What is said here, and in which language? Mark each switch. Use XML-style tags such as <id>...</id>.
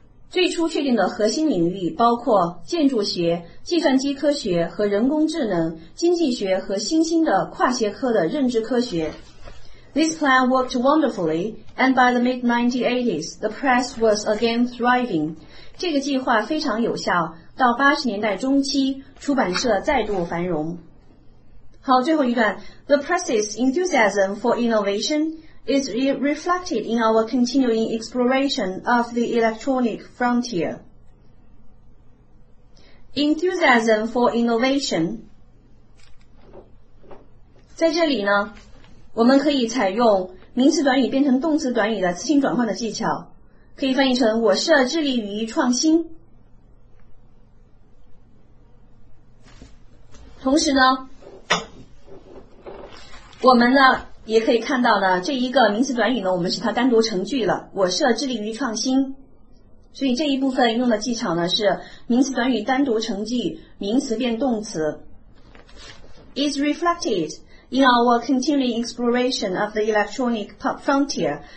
<zh>最初确定的核心领域包括建筑学、计算机科学和人工智能、经济学和新兴的跨学科的认知科学。</zh> <en>This plan worked wonderfully and by the mid-1980s the press was again thriving.</en> <zh>这个计划非常有效，到80年代中期出版社再度繁荣。好，最后一段，</zh> <en>The press's enthusiasm for innovationis reflected in our continuing exploration of the electronic frontier. Enthusiasm for innovation.</en> <zh>在这里呢，我们可以采用名词短语变成动词短语的词性转换的技巧，可以翻译成，我设致力于创新。同时呢，我们呢也可以看到呢，这一个名词短语呢我们使它单独成句了，我设致力于创新。所以这一部分用的技巧呢是名词短语单独成句，名词变动词。</zh> <en>Is reflected in our continuing exploration of the electronic frontier.</en>